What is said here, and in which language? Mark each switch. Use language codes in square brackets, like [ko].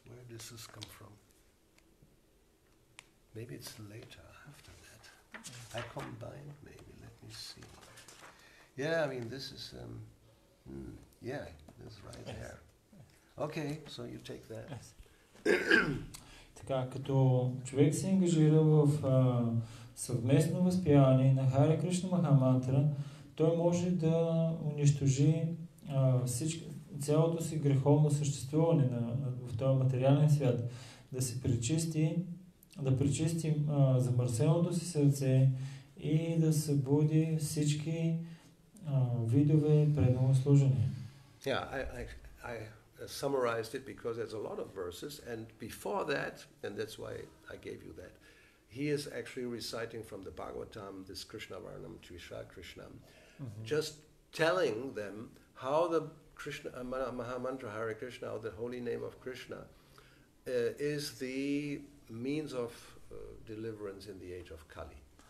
[en] Where does this come from? Maybe it's later after that. I combined maybe. Let me see. Yeah, I mean, this is, yeah, this right there. Okay, so you take that. [bg] Така, като човек се ангажира в съвместно възпяване на Хари Кришна Махамантра, той може да унищожи цялото си греховно съществуване в този материален свят, да се пречисти, да пречисти замърсеното си сърце и да събуди всички видове предново служение. [en] I summarized it because there's a lot of verses, and before that, and that's why I gave you that, he is actually reciting from the Bhagavatam, this Krishna Varnam Tvisha Krishnam, just telling them how the Krishna Mahamantra Hare Krishna, or the holy name of Krishna, is the means of deliverance in the age of Kali.